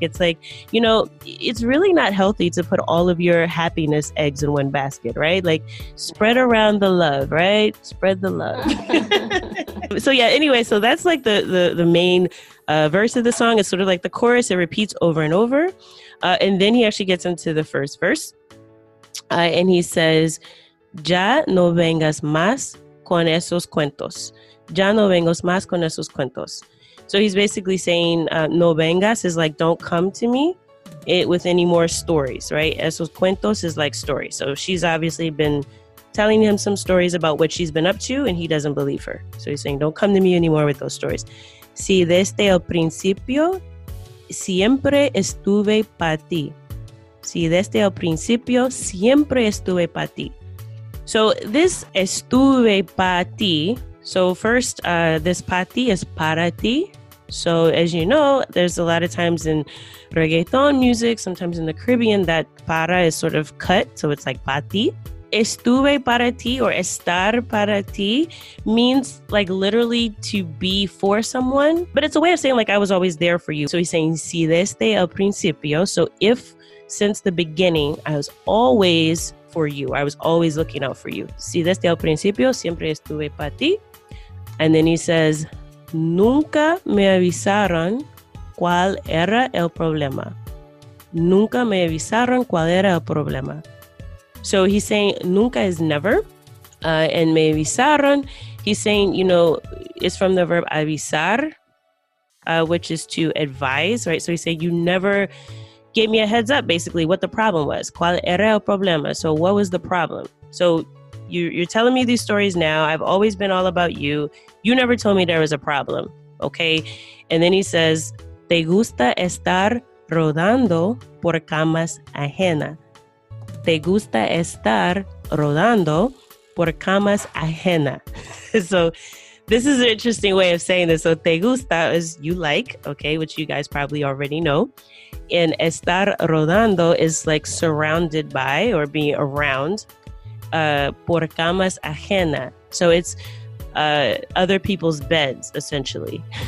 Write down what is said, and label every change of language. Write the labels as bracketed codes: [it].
[en] It's like, you know, it's really not healthy to put all of your happiness eggs in one basket, right? Like spread around the love, right? Spread the love. So yeah, anyway, so that's like the main verse of the song. It's sort of like the chorus. It repeats over and over. And then he actually gets into the first verse. And he says, [es] ya no vengas más con esos cuentos. Ya no vengas más con esos cuentos. [en] So he's basically saying, [es] no vengas [en] is like, don't come to me with any more stories, right? [es] Esos cuentos [en] is like stories. So she's obviously been telling him some stories about what she's been up to, and he doesn't believe her. So he's saying, don't come to me anymore with those stories. [es] Si desde el principio siempre estuve para ti. Si desde el principio siempre estuve pa ti. [en] So this [es] estuve pa ti. [en] So first, this [es] pa ti is para ti. [en] So as you know, there's a lot of times in reggaeton music, sometimes in the Caribbean, that para is sort of cut. So it's like [es] pa ti. Estuve para ti [en] or [es] estar para ti [en] means like literally to be for someone. But it's a way of saying like I was always there for you. So he's saying [es] si desde el principio. [en] So if since the beginning, I was always for you. I was always looking out for you. [es] Si desde el principio, siempre estuve para ti. [en] And then he says, [es] nunca me avisaron cuál era el problema. Nunca me avisaron cuál era el problema. [en] So he's saying, nunca is never. And [es] me avisaron, [en] he's saying, you know, it's from the verb avisar, which is to advise, right? So he's saying, you never gave me a heads up, basically, what the problem was. [es] ¿Cuál era el problema? [en] So what was the problem? So you're telling me these stories now. I've always been all about you. You never told me there was a problem, okay? And then he says, [es] ¿Te gusta estar rodando por camas ajena? ¿Te gusta estar rodando por camas ajena? [en] So this is an interesting way of saying this. So [es] te gusta [en] is you like, okay, which you guys probably already know. And [es] estar rodando [en] is like surrounded by or being around [es] por camas ajena. [en] So it's other people's beds, essentially.